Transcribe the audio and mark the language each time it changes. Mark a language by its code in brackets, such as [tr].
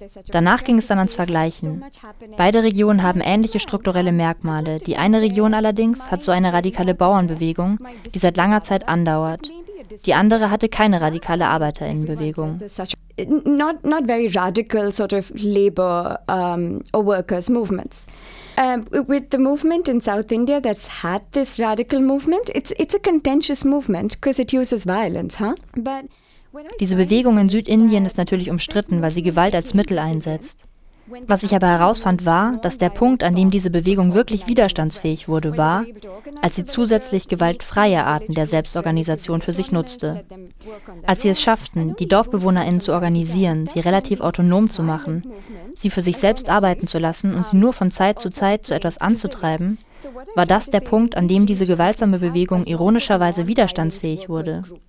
[de] Danach ging es dann ans Vergleichen. Beide Regionen haben ähnliche strukturelle Merkmale. Die eine Region allerdings hat so eine radikale Bauernbewegung, die seit langer Zeit andauert. Die andere hatte keine radikale ArbeiterInnenbewegung. [en] Not very radical sort of labor or workers movements. With the movement in South India that's had this radical movement, it's a contentious movement because it uses violence, huh? But [de] diese Bewegung in Südindien ist natürlich umstritten, weil sie Gewalt als Mittel einsetzt. Was ich aber herausfand, war, dass der Punkt, an dem diese Bewegung wirklich widerstandsfähig wurde, war, als sie zusätzlich gewaltfreie Arten der Selbstorganisation für sich nutzte. Als sie es schafften, die DorfbewohnerInnen zu organisieren, sie relativ autonom zu machen, sie für sich selbst arbeiten zu lassen und sie nur von Zeit zu etwas anzutreiben, war das der Punkt, an dem diese gewaltsame Bewegung ironischerweise widerstandsfähig wurde.